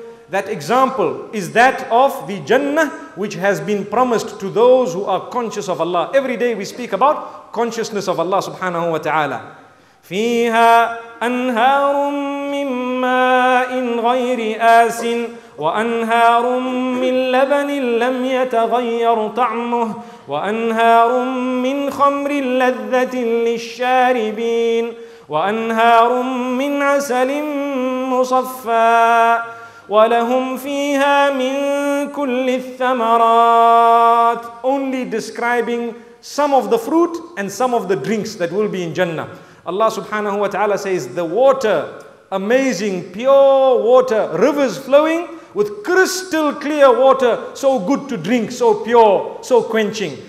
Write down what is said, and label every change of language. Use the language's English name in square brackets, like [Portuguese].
[English] That example is that of the Jannah which has been promised to those who are conscious of Allah. Every day we speak about consciousness of Allah subhanahu wa ta'ala. [Arabic] فِيهَا أَنْهَارٌ مِّن مَّاءٍ غَيْرِ آسٍ وأنهار من لبن لم يتغير طعمه وأنهار من خمر لذة للشاربين وأنهار من عسل مصفى ولهم فيها من كل الثمرات. [English] Only describing some of the fruit and some of the drinks that will be in Jannah. Allah subhanahu wa ta'ala says, the water, amazing pure water, rivers flowing with crystal clear water, so good to drink, so pure, so quenching.